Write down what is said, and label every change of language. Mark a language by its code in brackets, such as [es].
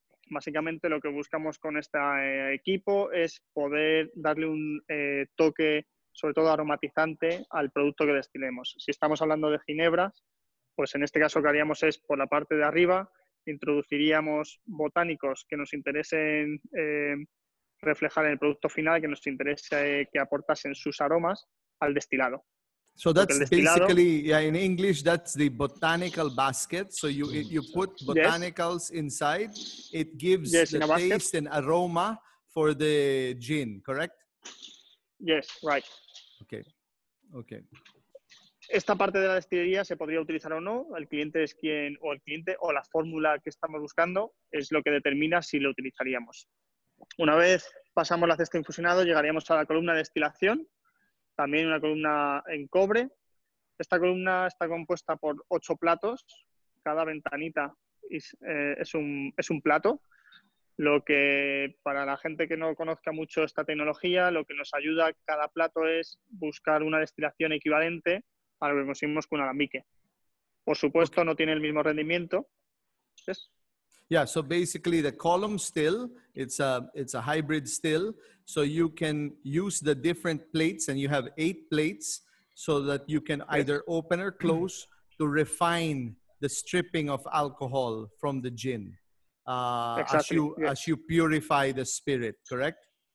[es] Básicamente lo que buscamos con este equipo es poder darle un toque, sobre todo aromatizante, al producto que destilemos. Si estamos hablando de ginebra, pues en este caso lo que haríamos es, por la parte de arriba, introduciríamos botánicos que nos interesen reflejar en el producto final, que nos interese que aportasen sus aromas al destilado. [en] So that's basically, yeah, in English, that's the botanical basket. So you put botanicals inside. It gives the taste and aroma for the gin, correct? Yes, right. Okay. [es] Esta parte de la destilería se podría utilizar o no. El cliente o la fórmula que estamos buscando es lo que determina si lo utilizaríamos. Una vez pasamos la cesta infusionado, llegaríamos a la columna de destilación. También una columna en cobre. Esta columna está compuesta por 8 platos. Cada ventanita es un plato. Lo que, para la gente que no conozca mucho esta tecnología, lo que nos ayuda a cada plato es buscar una destilación equivalente a lo que conseguimos con un alambique. Por supuesto, okay, No tiene el mismo rendimiento. ¿Sí? [en] Yeah, so basically the column still, it's a hybrid still, so you can use the different plates, and you have 8 plates, so that you can either open or close to refine the stripping of alcohol from the gin as you purify the spirit, correct?